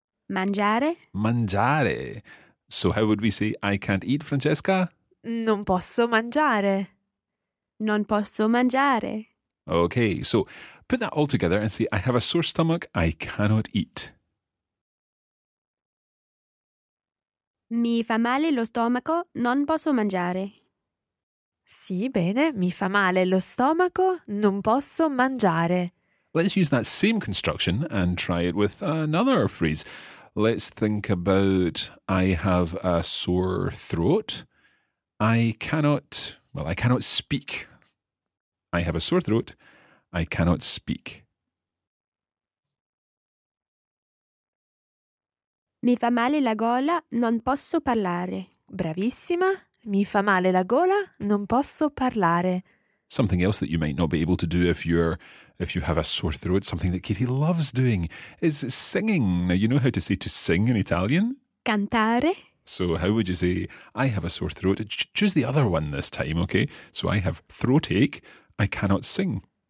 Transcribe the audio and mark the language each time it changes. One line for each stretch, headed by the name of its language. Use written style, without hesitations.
Italian: Mangiare. Mangiare.
English: So how would we say I can't eat, Francesca?
Italian: Non posso mangiare. Non posso mangiare.
English: Okay, so put that all together and say, I have a sore stomach, I cannot eat.
Italian: Mi fa male lo stomaco, non posso mangiare. Sì, bene, mi fa male lo stomaco, non posso mangiare.
English: Let's use that same construction and try it with another phrase. Let's think about, I have a sore throat, I cannot speak. I have a sore throat, I cannot speak.
Italian: Mi fa male la gola, non posso parlare. Bravissima, mi fa male la gola, non posso parlare.
English: Something else that you might not be able to do if you have a sore throat, something that Katie loves doing, is singing. Now, you know how to say to sing in Italian?
Italian: Cantare.
English: So how would you say, I have a sore throat? Choose the other one this time, okay? So I have throatache, I cannot sing.